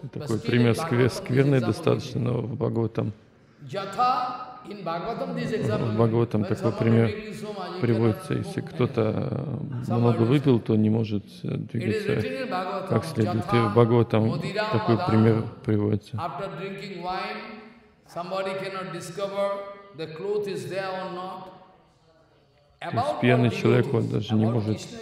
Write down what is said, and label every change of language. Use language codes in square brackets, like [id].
[ru] Такой пример скверный достаточно, но в Бхагаватам. В Бхагаватам такой пример приводится. Если кто-то много выпил, то не может двигаться как следует. И в Бхагаватам такой пример приводится. [en] After drinking wine, somebody cannot discover the cloth is there or not. [ru] То есть пьяный человек, он даже не может.